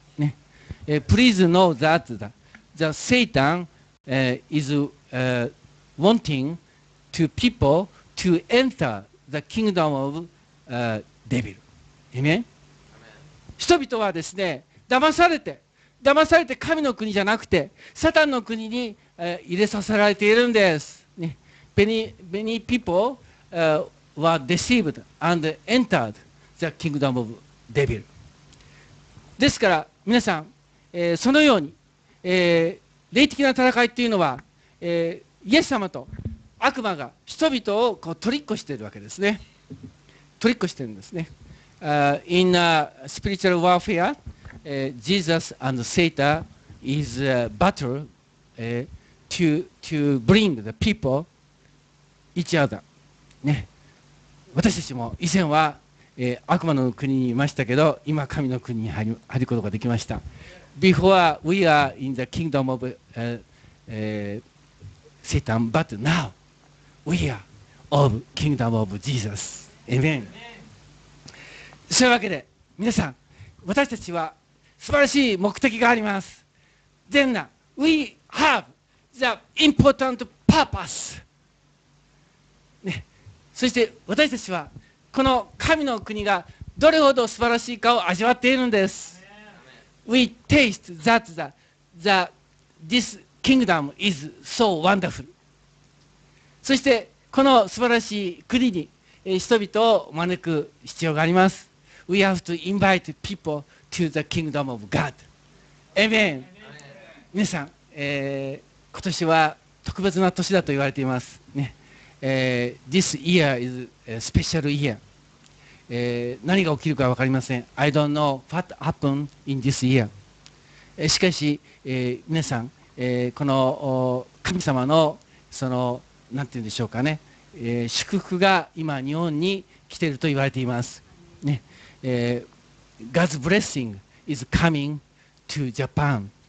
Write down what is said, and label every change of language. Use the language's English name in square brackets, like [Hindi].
[English] ね、Please know that the Satan is wanting to people to enter the kingdom of devil. Amen? [Japanese] 人々はですね、騙されて神の国じゃなくてサタンの国に入れさせられているんです。 [English] ね、many people were deceived and entered the kingdom of devil. [Japanese] ですから皆さん、そのように、霊的な戦いというのは、イエス様と悪魔が人々をこうトリッコしているわけですね。トリッコしているんですね。 [English] In spiritual warfare,Jesus and Satan is a battle to bring the people each other.、 [Japanese] ね、私たちも以前は、悪魔の国にいましたけど、今神の国に入ることができました。 [English] Before we are in the kingdom of Satan, but now we are of kingdom of Jesus. Amen. [Japanese] そういうわけで、皆さん、私たちは素晴らしい目的があります。 [English] Then we have the important purpose、 [Japanese] ね、そして私たちはこの神の国がどれほど素晴らしいかを味わっているんです。 [English] We taste that this kingdom is so wonderful。 [Japanese] そしてこの素晴らしい国に人々を招く必要があります。 [English] We have to invite peopleTo the kingdom of God. Amen. Amen. [Japanese] 皆さん、今年は特別な年だと言われています、ね。 [English] This year is a special year. [Japanese] 何が起きるか分かりません。 [English] I don't know what happened in this year. [Japanese] しかし、皆さん、この神様のその、なんて言うんでしょうかね、祝福が今日本に来ていると言われています。 [English] ね、God's blessing is coming to Japan.